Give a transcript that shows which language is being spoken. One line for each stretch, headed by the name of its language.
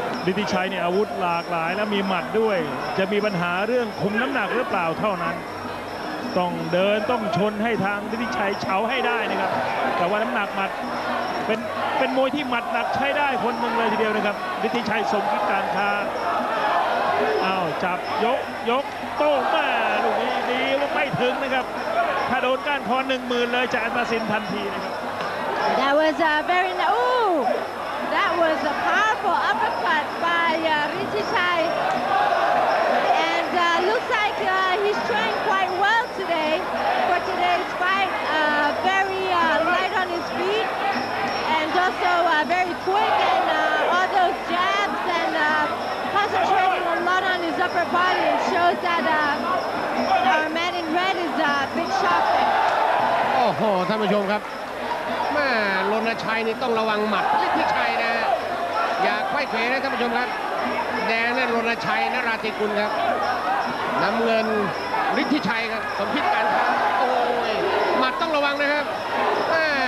Thai: ฤทธิชัยเนี่ยอาวุธหลากหลายและมีหมัดด้วยจะมีปัญหาเรื่องคุมน้ำหนักหรือเปล่าเท่านั้นต้องเดินต้องชนให้ทางฤทธิชัยเฉาให้ได้นะครับแต่ว่าน้ำหนักหมัดเป็นมวยที่หมัดหนักใช้ได้คนหนึ่งเลยทีเดียวนะครับฤทธิชัยสมกิจการค้าอ้าวจับยกโต้งมาลูกนี้ดีว่าไม่ถึงนะครับถ้าโดนก้านคอ 10,000 เลยจะอันมาสินทันทีนะครับ
English: That was a very That was a powerful uppercut by Ritichai. And looks like he's trained quite well today for today's fight. Very light on his feet and also very quick. And all those jabs and concentrating a lot on his upper body shows that our man in red is a big shock.
Thai: Oh, ท่านผู้ชมครับแม่รณชัยนี่ต้องระวังหมัดฤทธิชัยนะอย่าค่อยเขวนะท่านผู้ชมครับแดงนั่นรณชัยนราธิกุลครับน้ำเงินฤทธิชัยครับสมพิษการครับโอ้ยหมัดต้องระวังนะครับแม่